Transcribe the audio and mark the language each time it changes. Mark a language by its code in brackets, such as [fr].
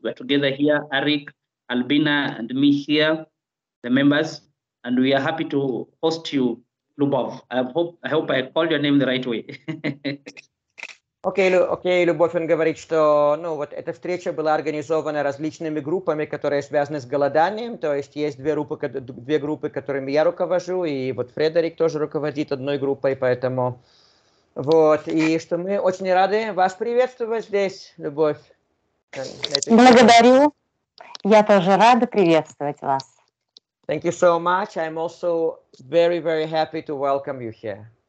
[en] We're together here, Arik, Albina, and me here, the members, and we are happy to host you, Lubov. I hope I called your name the right way. [ru] Окей, Любовь, он говорит, что ну, вот эта встреча была организована различными группами, которые связаны с голоданием. То есть есть две группы, которыми я руковожу, и вот Фредерик тоже руководит одной группой, поэтому вот. И что мы очень рады вас приветствовать здесь, Любовь. Благодарю. Я тоже рада приветствовать вас. [en] Thank you so much. I'm also very, very happy to welcome you here.